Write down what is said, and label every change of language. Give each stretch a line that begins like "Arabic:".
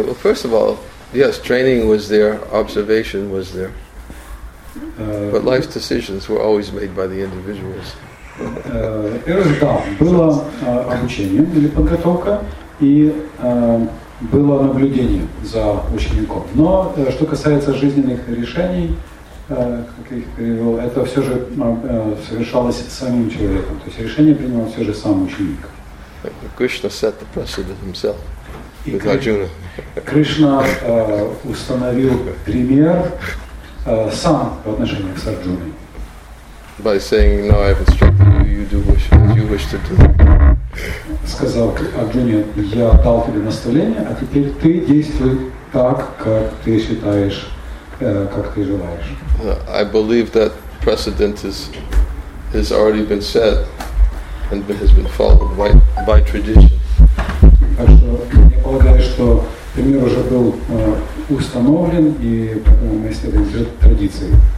English: Well, first of all, yes, training was there, observation was there, but life's decisions were always made by the individuals.
Russian: Первый этап было обучение или подготовка и было наблюдение за учеником. Но что касается жизненных решений, как я их перевел, это все же совершалось самим человеком. То есть решение принимал все же сам ученик.
English: Кришна set the precedent himself with Arjuna.
Russian: Кришна установил пример сам в отношениях с Арджуной.
English: By saying, "No, I have instructed you. You do wish, as you wish to do."
Russian: Сказал Арджуне, я дал тебе наставление, а теперь ты действуй так, как ты считаешь, как ты желаешь.
English: I believe that precedent has already been set and has been followed by tradition.
Russian: Так что я полагаю, что пример уже был установлен и поэтому мы следуем за традицией.